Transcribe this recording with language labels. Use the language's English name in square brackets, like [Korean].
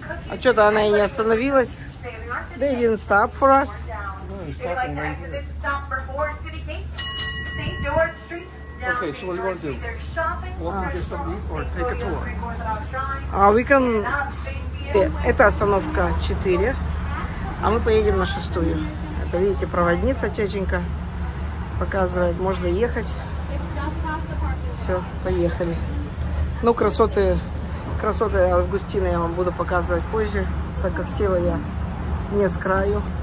[Russian] А что-то она и не остановилась. [English] They didn't stop for us. Okay, so what do you want to do? Walking to some meat or take a tour? We can... [Russian] Это остановка 4, а мы поедем на 6. Это, видите, проводница тетенька показывает, можно ехать. Все, поехали. Ну, красоты Августина я вам буду показывать позже, так как села я не с краю.